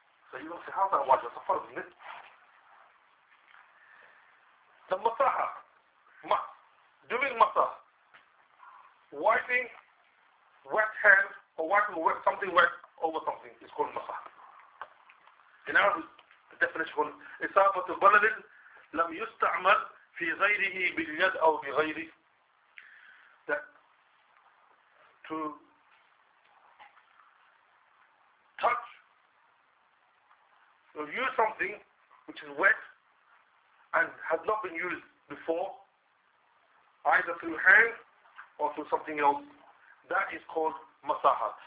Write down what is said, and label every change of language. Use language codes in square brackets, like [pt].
[en] So you don't say, how's that wajib? It's a fard, isn't it? The masaha, doing masah, wiping wet hand or wiping wet, something wet over something is called masah. In our definition, [ar] إصابة بلد لم يستعمل في غيره باليد أو بغيره. [en] That to touch or use something which is wet and has not been used before, either through hand or through something else, that is called masaha.